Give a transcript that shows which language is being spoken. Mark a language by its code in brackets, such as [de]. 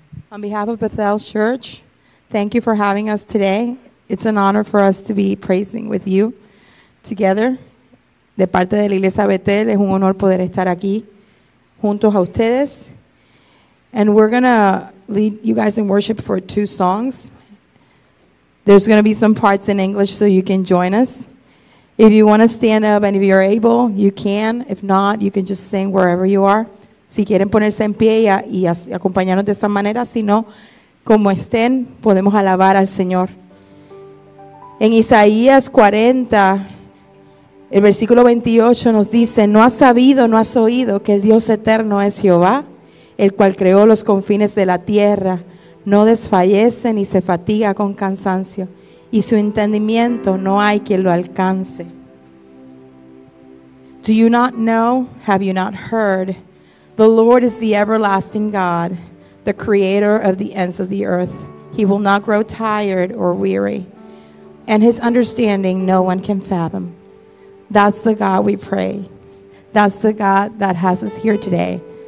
[en] On behalf of Bethel Church, thank you for having us today. It's an honor for us to be praising with you together. [es] De parte de la Iglesia Bethel, es un honor poder estar aquí juntos a ustedes. [en] And we're going to lead you guys in worship for two songs. There's going to be some parts in English so you can join us. If you want to stand up and if you're able, you can. If not, you can just sing wherever you are. [es] Si quieren ponerse en pie y acompañarnos de esa manera, si no, como estén, podemos alabar al Señor. En Isaías 40, el versículo 28 nos dice, no has sabido, no has oído que el Dios eterno es Jehová, el cual creó los confines de la tierra, no desfallece ni se fatiga con cansancio, y su entendimiento no hay quien lo alcance. [en] Do you not know, have you not heard? The Lord is the everlasting God, the creator of the ends of the earth. He will not grow tired or weary, and his understanding no one can fathom. That's the God we praise. That's the God that has us here today.